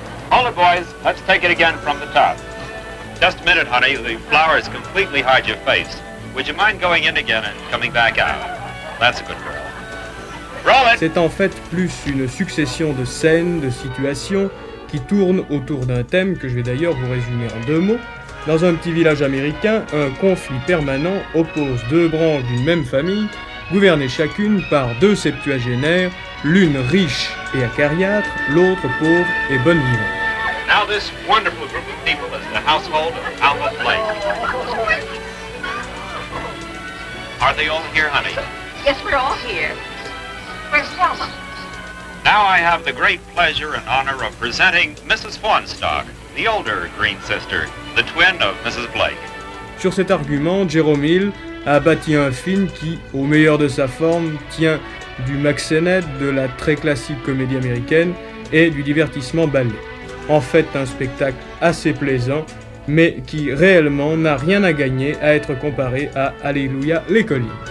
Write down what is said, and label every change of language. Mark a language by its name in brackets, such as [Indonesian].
[English] All the boys, let's take it again from the top. Just a minute, honey, the flowers completely hide your face. Would you mind going in again and coming back out? That's a good girl. Roll it. [French] C'est en fait plus une succession de scènes, de situations qui tournent autour d'un thème que je vais d'ailleurs vous résumer en deux mots. Dans un petit village américain, un conflit permanent oppose deux branches d'une même famille, gouvernées chacune par deux septuagénaires, l'une riche et acariâtre, l'autre pauvre et bonne vivante. [English] Now this wonderful group of people is the household of Alma Blake. Are they all here, honey? Yes, we're all here. Where's Thelma? Now I have the great pleasure and honor of presenting Mrs. Fawnstock, the older green sister, the twin of Mrs. Blake. [French] Sur cet argument, Jerome Hill a bâti un film qui, au meilleur de sa forme, tient du Maxenet, de la très classique comédie américaine et du divertissement ballet. En fait, un spectacle assez plaisant, mais qui réellement n'a rien à gagner à être comparé à Alléluia les collines.